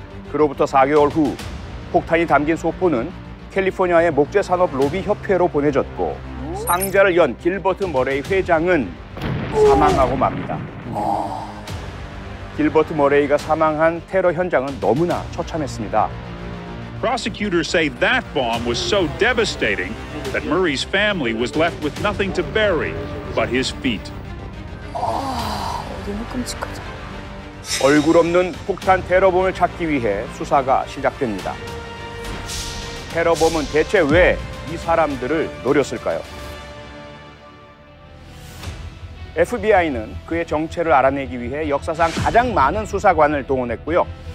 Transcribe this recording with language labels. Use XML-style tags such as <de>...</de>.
<ko>그로부터 4개월 후 폭탄이 담긴 소포는 캘리포니아의 목재산업 로비협회로 보내졌고 상자를 연 길버트 머레이 회장은 사망하고 맙니다. 길버트 머레이가 사망한 테러 현장은 너무나 처참했습니다.</ko> <en>Prosecutors say that bomb was so devastating that Murray's family was left with nothing to bury but his feet.</en> <ko>너무 끔찍하다. 얼굴 없는 폭탄 테러범을 찾기 위해 수사가 시작됩니다. 테러범은 대체 왜 이 사람들을 노렸을까요? FBI는 그의 정체를 알아내기 위해 역사상 가장 많은 수사관을 동원했고요.</ko>